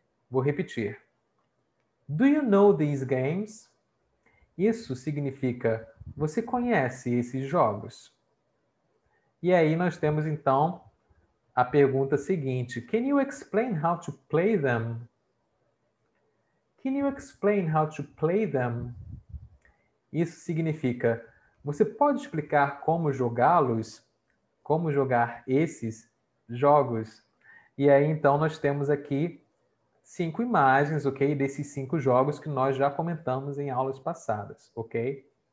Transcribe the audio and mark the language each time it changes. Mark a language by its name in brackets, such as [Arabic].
[Portuguese] Vou repetir: [English] Do you know these games? [Portuguese] Isso significa você conhece esses jogos? E aí nós temos então a pergunta seguinte: [English] Can you explain how to play them? Can you explain how to play them? [Portuguese] Isso significa: Você pode explicar como jogá-los? Como jogar esses jogos? E aí então nós temos aqui cinco imagens, ok? Desses cinco jogos que nós já comentamos em aulas passadas, ok?